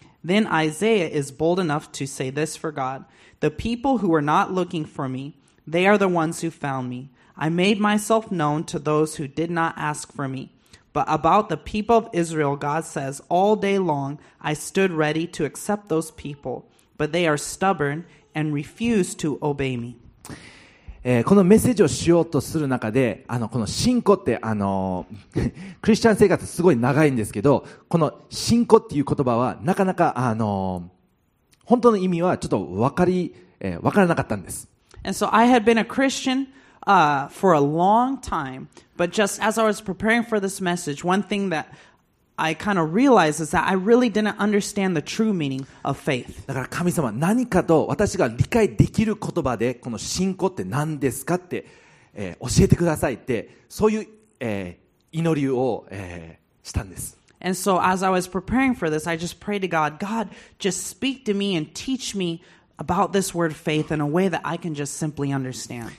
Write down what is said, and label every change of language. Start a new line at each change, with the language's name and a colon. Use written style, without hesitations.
English: Then Isaiah is bold enough to say this for God. The people who were not looking for me, they are the ones who found me. I made myself known to those who did not ask for me. But about the people of Israel, God says, all day long, I stood ready to accept those people, but they are stubborn and refuse to obey me.
Japanese: このメッセージをしようとする中で、この信仰って、クリスチャン生活すごい長いんですけど、この信仰っていう言葉はなかなか、本当の意味はちょっと分からなかったんです。
English: And so I had been a Christian, for a long time, but just as I was preparing for this message, one thing that I kind of realized is that I really didn't understand the true meaning of faith.
Japanese: だから神様、何かと私が理解できる言葉でこの信仰って何ですかって、教えてくださいって、そういう、祈りを、したんです。
English: And so as I was preparing for this, I just prayed to God, God, just speak to me and teach meme about this word faith in a way that I can just simply understand.